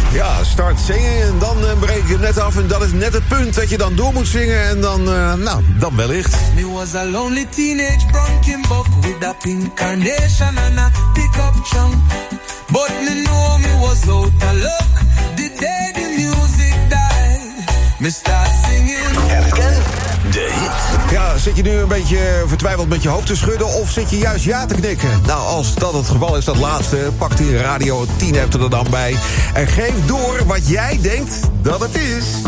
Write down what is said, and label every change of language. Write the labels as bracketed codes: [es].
[nl] Ja, start zingen en dan breek je net af. En dat is net het punt dat je dan door moet zingen. En dan, dan wellicht. [en] Me was a lonely teenage bronkin' buck with a pink carnation and a pick-up chunk. But me know me was out of luck the day the music died. Me start singing. [nl] Herken de hit. Ja, zit je nu een beetje vertwijfeld met je hoofd te schudden of zit je juist ja te knikken? Nou, als dat het geval is, dat laatste, pak die Radio 10 hebt er dan bij. En geef door wat jij denkt dat het is.